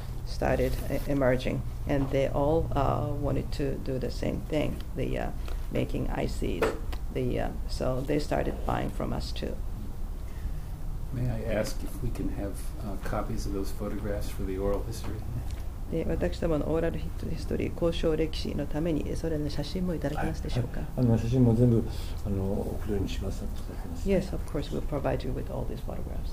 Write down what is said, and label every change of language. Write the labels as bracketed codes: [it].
[en] started emerging, and they all wanted to do the same thing, the making ICs. So they started buying from us too. May I ask if we can have copies of those photographs for the oral history? [ja] で、私どものオーラルヒストリー交渉歴史のためにそれの写真もいただけますでしょうか。あの写真も全部あの送るようにします。 [en] Yes, of course, we'll provide you with all these photographs.